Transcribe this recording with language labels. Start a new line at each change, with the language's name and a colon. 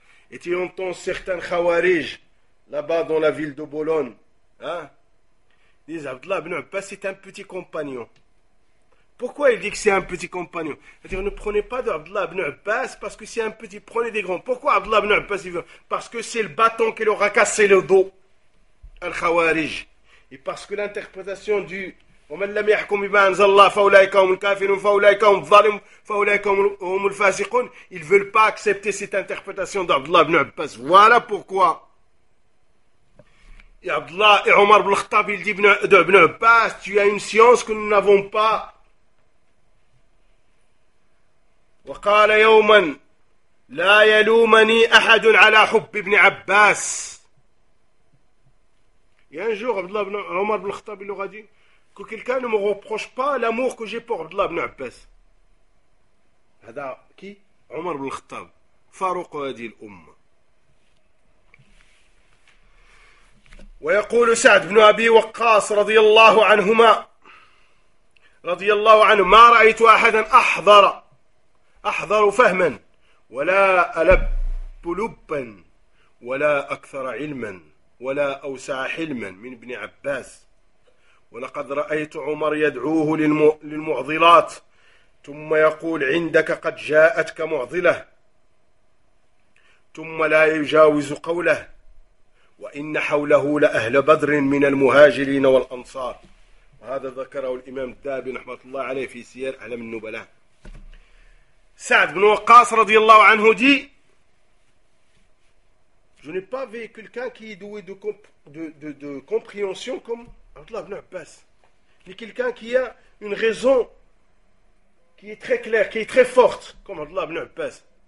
French: et tu entends certains khawarij là-bas dans la ville de Bologne, hein, disent Abdullah ibn Abbas c'est un petit compagnon. Pourquoi il dit que c'est un petit compagnon? C'est-à-dire, ne prenez pas de Abdullah ibn Abbas parce que c'est un petit, prenez des grands. Pourquoi Abdullah ibn Abbas? Parce que c'est le bâton qui leur a cassé le dos, al-Khawarij. Et parce que l'interprétation du
Arabic: وَمَنْ لَمْ يَحْكُمْ بِمَا أَنْزَلَ اللَّهُ فَأُولَٰئِكَ هُمُ الْكَافِرُونَ فَأُولَٰئِكَ هُمُ الظَّالِمُونَ فَأُولَٰئِكَ هُمُ الْفَاسِقُونَ.
French: Ils ne veulent pas accepter cette interprétation d'Abdullah ibn Abbas. Voilà pourquoi. Et Abdullah et Omar ibn Khattab, il dit d'Ibn Abbas, tu as une science que nous n'avons pas.
Arabic: وقال يوما لا يلومني احد على حب ابن عباس.
French: Un jour Abdullah ibn Omar ibn Khattab il aura dit que quelqu'un ne me reproche pas l'amour que j'ai pour Abdullah ibn Abbas.
Arabic: هذا كي عمر بن الخطاب فاروق هذه الامه. ويقول سعد بن ابي وقاص رضي الله عنهما رضي الله عنه ما رايت احدا احضر أحضر فهما ولا ألب لبا ولا أكثر علما ولا أوسع حلما من ابن عباس. ولقد رأيت عمر يدعوه للمعضلات ثم يقول عندك قد جاءتك معضلة ثم لا يجاوز قوله وإن حوله لأهل بدر من المهاجرين والأنصار. وهذا ذكره الإمام الذهبي رحمة الله عليه في سير أعلام النبلاء.
French: Saad ibn Waqqas
Arabic: radiyallahu anhu
French: dit, je n'ai pas vu quelqu'un qui est doué de compréhension comme Abdullah ibn Abbas, mais quelqu'un qui a une raison qui est très claire, qui est très forte comme Abdullah ibn Abbas.